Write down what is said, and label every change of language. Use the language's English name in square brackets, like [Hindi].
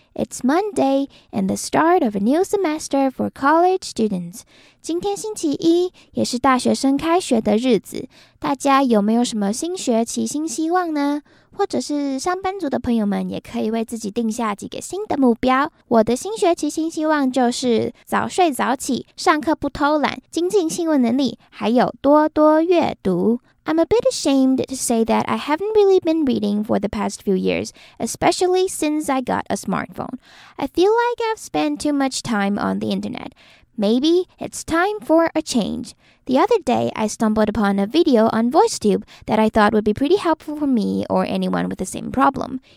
[English] It's Monday and the start of a new semester for college students. [Chinese] 今天星期一，也是大学生开学的日子。大家有没有什么新学期新希望呢？或者是上班族的朋友们也可以为自己定下几个新的目标。我的新学期新希望就是早睡早起，上课不偷懒，精进新闻能力，还有多多阅读。 [English] I'm a bit ashamed to say that I haven't really been reading for the past few years, especially since I got a smartphone. I feel like I've spent too much time on the internet. Maybe it's time for a change. The other day, I stumbled upon a video on VoiceTube that I thought would be pretty helpful for me or anyone with the same problem.